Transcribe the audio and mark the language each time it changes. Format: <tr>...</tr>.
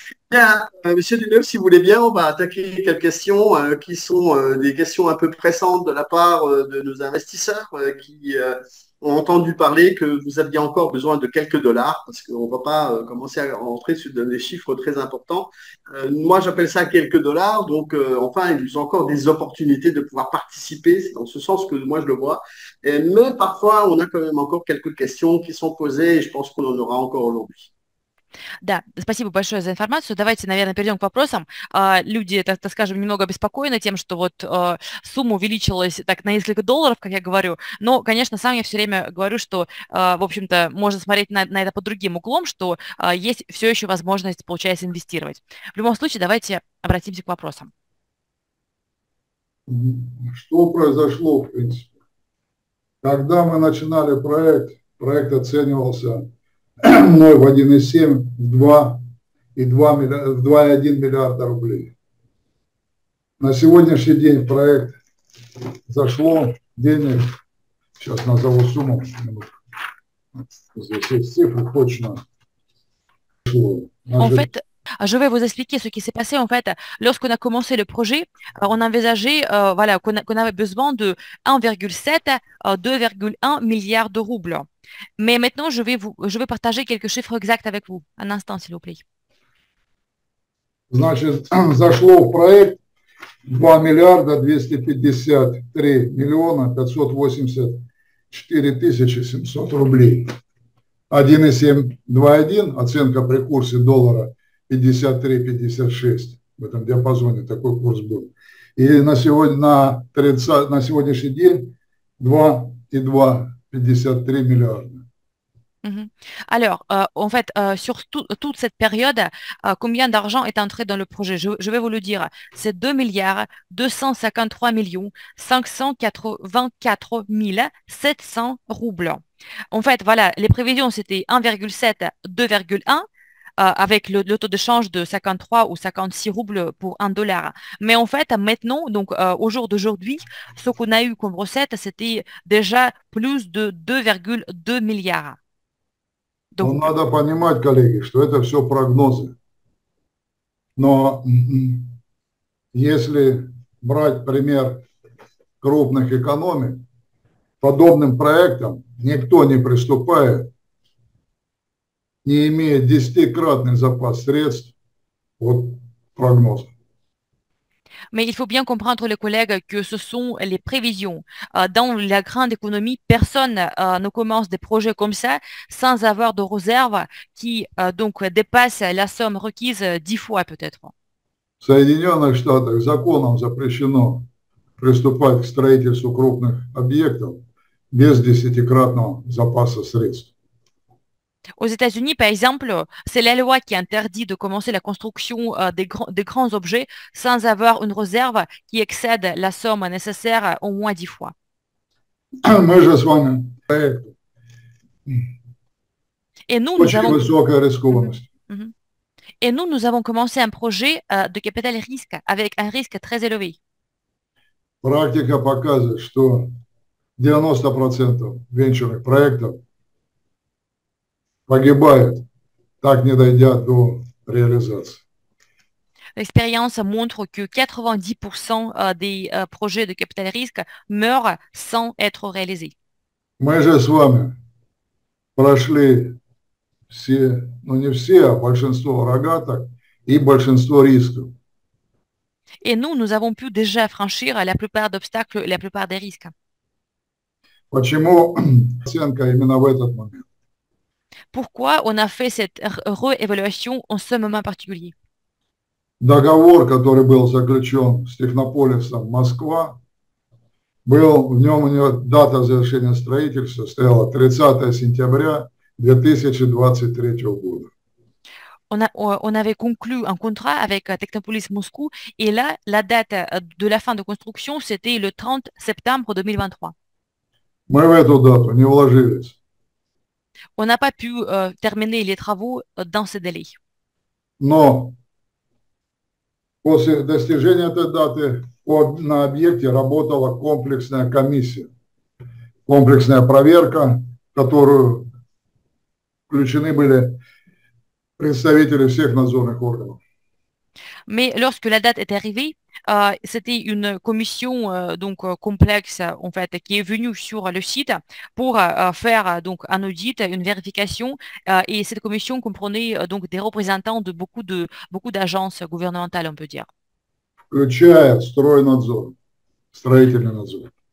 <fr>Bien, Monsieur Duneuf, si vous voulez bien, on va attaquer quelques questions qui sont des questions un peu pressantes de la part de nos investisseurs qui ont entendu parler que vous aviez encore besoin de quelques dollars parce qu'on ne va pas commencer à rentrer sur des chiffres très importants. Moi, j'appelle ça quelques dollars. Donc, enfin, ils ont encore des opportunités de pouvoir participer. C'est dans ce sens que moi, je le vois. Et, mais parfois, on a quand même encore quelques questions qui sont posées et je pense qu'on en aura encore aujourd'hui.</fr> <ru>Да, спасибо большое за информацию. Давайте, наверное, перейдем к вопросам. Люди, так скажем, немного обеспокоены тем, что вот сумма увеличилась так на несколько долларов, как я говорю. Но, конечно, сам я все время говорю, что, в общем-то, можно смотреть на это под другим углом, что есть все еще возможность, получается, инвестировать. В любом случае, давайте обратимся к вопросам. Что произошло, в принципе? Когда мы начинали проект, проект оценивался мной в 1,7, в 2 и 2, в 2,1 миллиарда рублей. На сегодняшний день проект зашло денег, сейчас назову сумму, здесь есть цифры точно.</ru> <fr>En</fr> <ru>Значит,</ru> <fr>fait, je vais vous expliquer ce qui s'est passé. En fait, lorsqu'on a commencé le projet, on a envisagé voilà, qu'on avait besoin de 1,7 à 2,1 milliards de roubles. Mais maintenant, je vais partager quelques chiffres exacts avec vous. Un instant, s'il vous plaît.</fr> <ru>Значит, зашло в проект 2 миллиарда 253 миллиона 584 тысячи 700 рублей. 1,721, оценка при курсе доллара 53-56, в этом диапазоне такой курс был. И на сегодня, на 30, на сегодняшний день 2,253 миллиарда.</ru> <fr>Alors, en fait, sur toute cette période, combien d'argent est entré dans le projet? Je vais vous le dire. C'est 2 253 584 700 roubles. En fait, voilà, les prévisions, c'était 1,7, 2,1, avec le taux de change de 53 ou 56 roubles pour 1 dollar. Mais en fait, maintenant, donc au jour d'aujourd'hui, ce qu'on a eu comme recette, c'était déjà plus de 2,2 milliards. De</fr> <ru>Но рубль. надо понимать, коллеги, что это все прогнозы. Но если брать пример крупных экономик, подобным проектам никто не приступает, не имея десятикратный запас средств от прогноза.</ru> <fr>Mais il faut bien comprendre, les collègues, que ce sont les prévisions. Dans la grande économie, personne ne commence des projets comme ça sans avoir de réserves qui donc dépassent la somme requise 10 fois peut-être.</fr> <ru>В Соединенных Штатах законом запрещено приступать к строительству крупных объектов без десятикратного запаса средств.</ru> <fr>Aux États-Unis, par exemple, c'est la loi qui interdit de commencer la construction des grands objets sans avoir une réserve qui excède la somme nécessaire au moins 10 fois.</fr> <ru>Мы же с вами проект</ru> <fr>Et нous,</fr> <ru>очень</ru> <fr>нous avons...</fr> <ru>высокая рискованность.</ru> <fr>Et nous avons commencé un projet de capital risque avec un risque très élevé.</fr> <ru>Практика показывает, что 90% венчурных проектов погибают, так не дойдя до реализации.</ru> <fr>L'expérience montre que 90% des projets de capital risque meurent sans être réalisés.</fr> <ru>Мы же с вами прошли все, ну не все, а большинство рогаток и большинство рисков.</ru> <fr>Et nous avons pu déjà franchir la plupart d'obstacles, la plupart des risques.</fr> <ru>Почему оценка именно в этот момент?</ru> <fr>Pourquoi on a fait cette réévaluation en ce moment particulier?</fr> <ru>Договор, который был заключен с Технополисом Москва, был в нем у него дата завершения строительства стояла 30 сентября 2023 года.</ru> <fr>On avait conclu un contrat avec Technopolis Moscou et là, la date de la fin de construction, c'était le 30 septembre 2023.</fr> <ru>Мы в эту дату не вложились.</ru> <fr>On n'a pas pu terminer les travaux dans ce délai.</fr> <ru>Но после достижения этой даты на объекте работала комплексная комиссия. Комплексная проверка, в которую включены были представителей всех надзорных органов.</ru> <fr>Mais lorsque la date est arrivée, c'était une commission complexe en fait qui est venue sur le site pour faire donc un audit, une vérification. Et cette commission comprenait donc des représentants de beaucoup d'agences gouvernementales, on peut dire.</fr> <ru>Включая стройнадзор, строительный надзор.</ru>